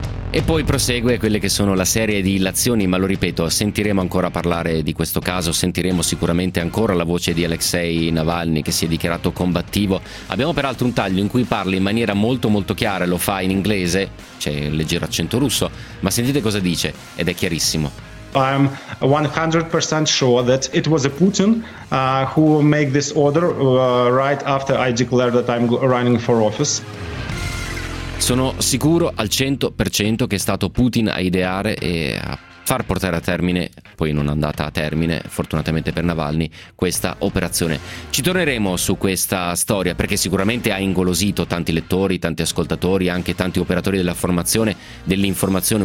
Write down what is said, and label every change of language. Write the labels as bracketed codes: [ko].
[it] E poi prosegue quelle che sono la serie di illazioni, ma lo ripeto, sentiremo ancora parlare di questo caso, sentiremo sicuramente ancora la voce di Alexei Navalny, che si è dichiarato combattivo. Abbiamo peraltro un taglio in cui parla in maniera molto molto chiara, lo fa in inglese, c'è un leggero accento russo, ma sentite cosa dice, ed è chiarissimo. [en] I'm 100% sure that it was a Putin who made this order right after I declared that I'm running for office. [it] Sono sicuro al 100% che è stato Putin a ideare e a far portare a termine, poi non è andata a termine, fortunatamente per Navalny, questa operazione. Ci torneremo su questa storia perché sicuramente ha ingolosito tanti lettori, tanti ascoltatori, anche tanti operatori della formazione, dell'informazione.